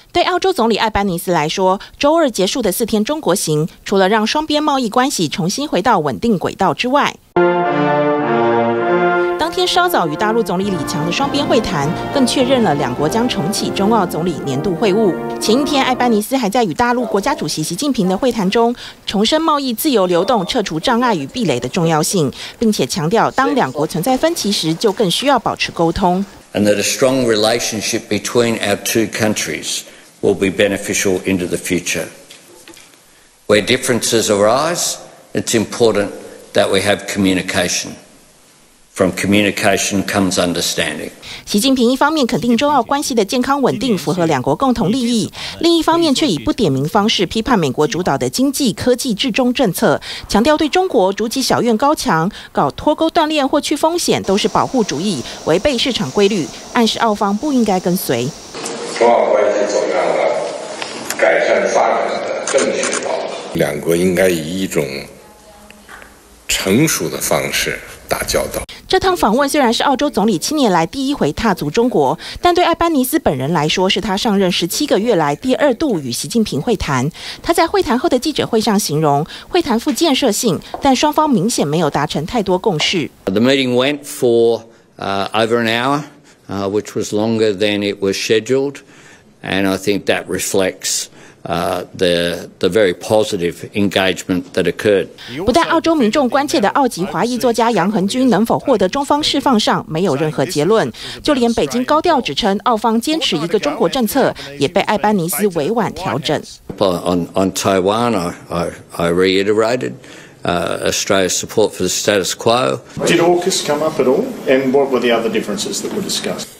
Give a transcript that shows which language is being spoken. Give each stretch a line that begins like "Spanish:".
Chinese: 对澳洲总理艾班尼斯来说，周二结束的4天中国行，除了让双边贸易关系重新回到稳定轨道之外，当天稍早与大陆总理李强的双边会谈更确认了两国将重启中澳总理年度会晤。前一天艾班尼斯还在与大陆国家主席习近平的会谈中重申贸易自由流动撤除障碍与壁垒的重要性，并且强调当两国存在分歧时就更需要保持沟通。
English: And that a strong relationship between our two countries will be beneficial into the future. Where differences arise, it's important that we have communication. From communication comes understanding.
Chinese: 习近平一方面肯定中澳关系的健康稳定符合两国共同利益，另一方面却以不点名方式批判美国主导的经济科技至中政策，强调对中国逐级小院高墙、搞脱钩断链或去风险都是保护主义，违背市场规律，暗示澳方不应该跟随。中澳关系怎样了？改善发展的正确道路。两国应该以一种成熟的方式打交道。这趟访问虽然是澳洲总理7年来第一回踏足中国，但对艾班尼斯本人来说是他上任17个月来第二度与习近平会谈。他在会谈后的记者会上形容会谈富建设性，但双方明显没有达成太多共识。
English: The meeting went for over an hour, which was longer than it was scheduled, and I think that reflects the very positive engagement that occurred.
Chinese: 不但澳洲民众关切的澳籍华裔作家杨恒均能否获得中方释放上没有任何结论，就连北京高调指称澳方坚持一个中国政策，也被艾班尼斯委婉调整。
English: On Taiwan, I reiterated Australia's support for the status quo. Did AUKUS come up at all? And what were the other differences that were discussed?